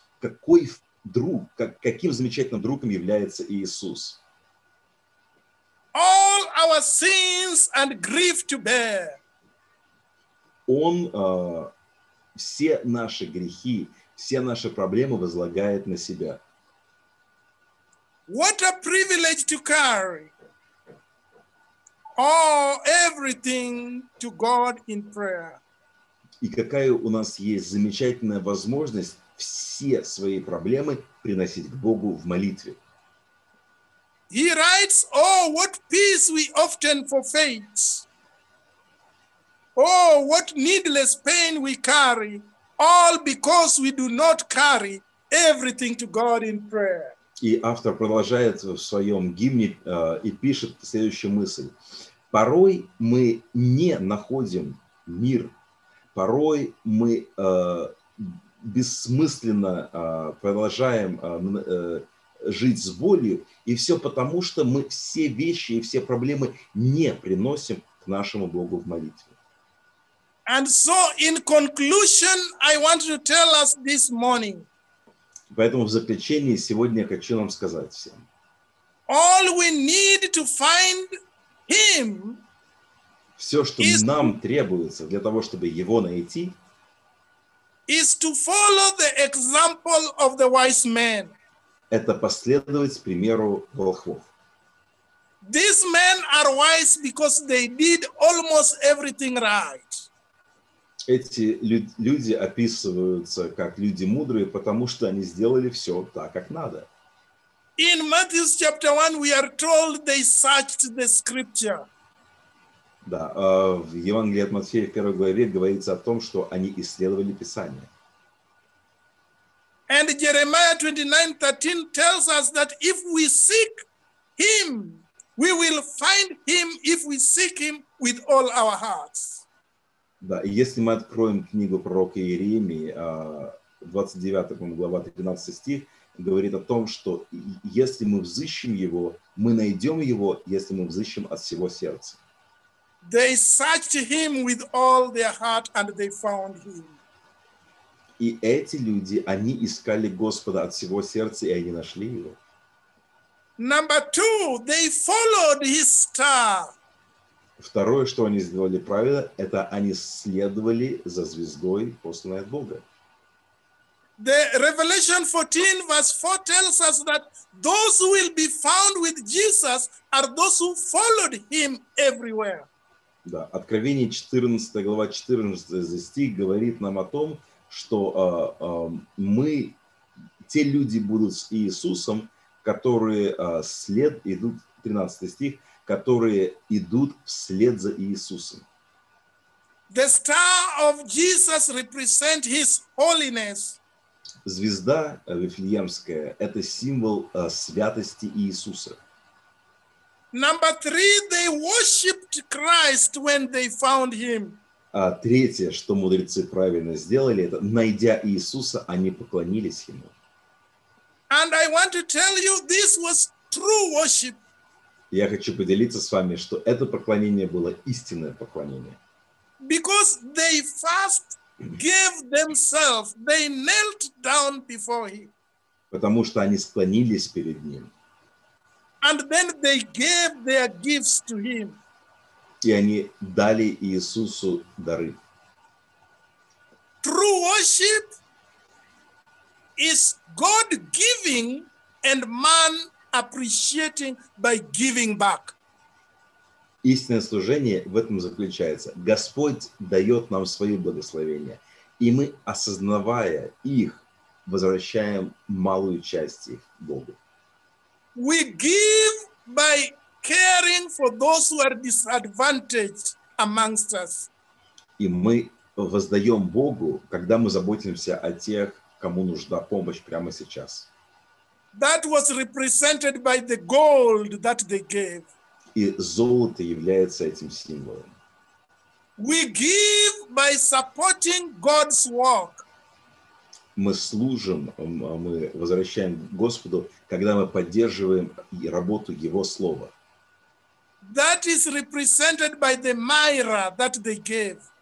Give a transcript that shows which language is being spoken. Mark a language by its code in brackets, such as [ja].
[ru] Какой друг, каким замечательным другом является Иисус? [en] All our sins and grief to bear. [ru] Он все наши грехи, все наши проблемы возлагает на себя. [en] What a privilege to carry all everything to God in prayer. [ru] И какая у нас есть замечательная возможность все свои проблемы приносить к Богу в молитве. [en] He writes, oh, what peace we often forfeit. Oh, what needless pain we carry, all because we do not carry everything to God in prayer. [ru] И автор продолжает в своем гимне и пишет следующую мысль. Порой мы не находим мир. Порой мы бессмысленно продолжаем жить с болью. И все потому, что мы все вещи и все проблемы не приносим к нашему Богу в молитве. [en] And so, in conclusion, I want to tell us this morning. [ru] Поэтому в заключении сегодня я хочу нам сказать всем. [en] All we need to find him. [ru] Все, что нам требуется для того, чтобы его найти, [en] is to follow the example of the wise men. [ru] Это последовать примеру волхвов. [en] These men are wise because they did almost everything right. [ru] Эти люди описываются как люди мудрые, потому что они сделали все так, как надо. [en] In Matthew chapter 1 we are told they searched the scripture. [ru] Да, в Евангелии от Матфея в 1 главе говорится о том, что они исследовали Писание. [en] And Jeremiah 29:13 tells us that if we seek him, we will find him if we seek him with all our hearts. [ru] Да, если мы откроем книгу пророка Иеремии, 29 глава, 13 стих, говорит о том, что если мы взыщем его, мы найдем его, если мы взыщем от всего сердца. [en] They searched him with all their heart and they found him. [ru] И эти люди, они искали Господа от всего сердца, и они нашли его. [en] Number two, they followed his star. [ru] Второе, что они сделали правильно, это они следовали за звездой, посланной от Бога. [en] The Revelation 14 verse 4 tells us that those who will be found with Jesus are those who followed him everywhere. [ru] Да, Откровение 14, глава 14 стих говорит нам о том, что мы, те люди будут с Иисусом, которые след идут, 13 стих, которые идут вслед за Иисусом. [en] The star of Jesus represent his holiness. [ru] Звезда Вифлеемская – это символ святости Иисуса. [en] Number three, they worshipped Christ when they found him. [ru] А третье, что мудрецы правильно сделали, это найдя Иисуса, они поклонились ему. [en] And I want to tell you, this was true worship. [ru] Я хочу поделиться с вами, что это поклонение было истинное поклонение. [en] Because they first gave themselves, they knelt down before him. [ru] Потому что они склонились перед ним. [en] And then they gave their gifts to him. [ru] И они дали Иисусу дары. [en] True worship is God giving and man appreciating by giving back. [ru] Истинное служение в этом заключается. Господь дает нам свои благословения, и мы, осознавая их, возвращаем малую часть их Богу. [en] We give by caring for those who are disadvantaged amongst us. [ru] И мы воздаем Богу, когда мы заботимся о тех, кому нужна помощь прямо сейчас. [en] That was represented by the gold that they gave. [ru] И золото является этим символом. [en] We give by supporting God's work. [ru] Мы служим, мы возвращаем Господу, когда мы поддерживаем работу Его Слова. [en] That is represented by the myrrh that they gave.